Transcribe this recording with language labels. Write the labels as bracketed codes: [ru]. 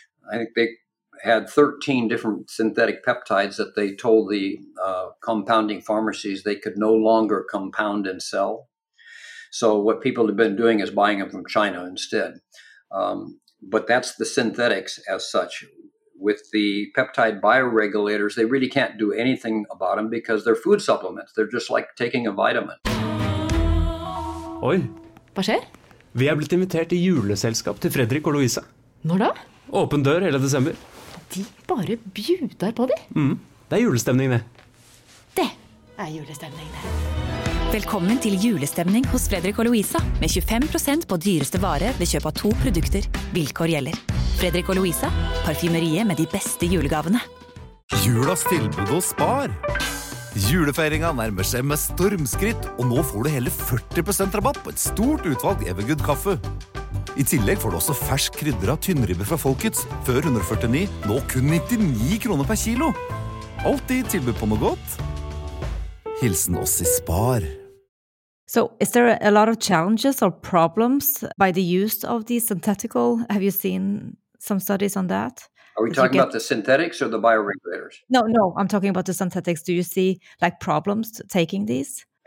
[en] I think they had 13 different synthetic peptides that they told the compounding pharmacies they could no longer compound and sell. So what people have been doing is buying them from China instead. But that's the synthetics as such. With the peptide bioregulators, they really can't do anything about them because they're food supplements. They're just like taking a vitamin. [no] Oi. Hva skjer? Vi har blitt invitert i juleselskap til Fredrik og Louisa. Når da? Åpen dør hele desember. De bare bjuder på det. Mm. Det julestemning det. Det julestemning det. Velkommen til julestemning hos Fredrik og Louisa med 25% på dyreste vare ved kjøp av to produkter. Vilkår gjelder. Fredrik og Louisa, parfymeriet med de beste julegavene. Julas tilbud hos Spar. Julefeiringen nærmer seg med stormskritt, og nå får du hele 40% rabatt på et stort utvalg Evergood kaffe. I tillegg får du også fersk krydder av tynnribbe fra Folkets, før 149, nå kun 99 kroner per kilo. Altid tilbud på noe godt. Hilsen oss I Spar. [en] So is there a lot of challenges or problems by the use of these synthetical? Have you seen some studies on that? Are we talking about the synthetics or the bioregulators? No, I'm talking about the synthetics. Do you see like problems taking these?